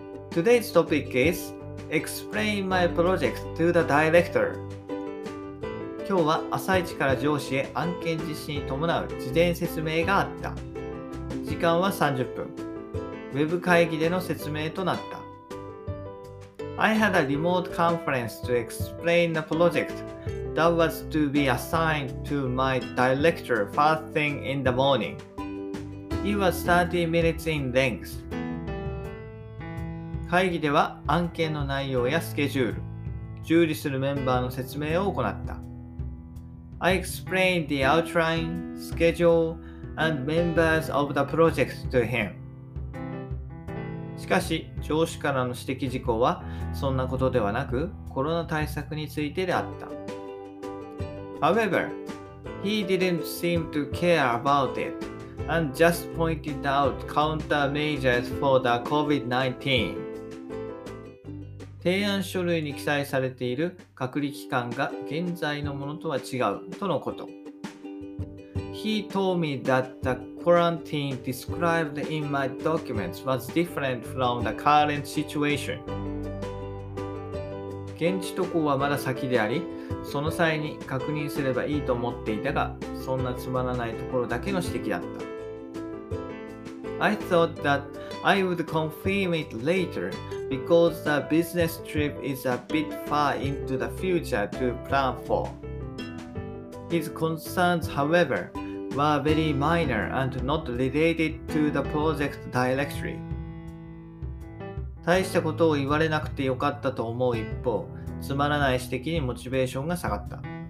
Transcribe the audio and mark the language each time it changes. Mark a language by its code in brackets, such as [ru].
[en] Today's topic is Explain my project to the director. [ja] 今日は朝一から上司へ案件実施に伴う事前説明があった。時間は30分、ウェブ会議での説明となった。 [en] I had a remote conference to explain the project that was to be assigned to my director first thing in the morning. It was 30 minutes in length. [ja] 会議では案件の内容やスケジュール、従事するメンバーの説明を行った。 [en] I explained the outline, schedule, and members of the project to him. [ja] しかし、上司からの指摘事項は、そんなことではなく、コロナ対策についてであった。 [en] However, he didn't seem to care about it, and just pointed out countermeasures for the COVID-19. [ja] 提案書類に記載されている隔離期間が現在のものとは違うとのこと。 [en] He told me that the quarantine described in my documents was different from the current situation. [ja] 現地渡航はまだ先であり、その際に確認すればいいと思っていたが、そんなつまらないところだけの指摘だった。 [en] I thought that I would confirm it later because the business trip is a bit far into the future to plan for. His concerns, however,were very minor and not related to the project directly. [ja] 大したことを言われなくてよかったと思う一方、つまらない指摘にモチベーションが下がった。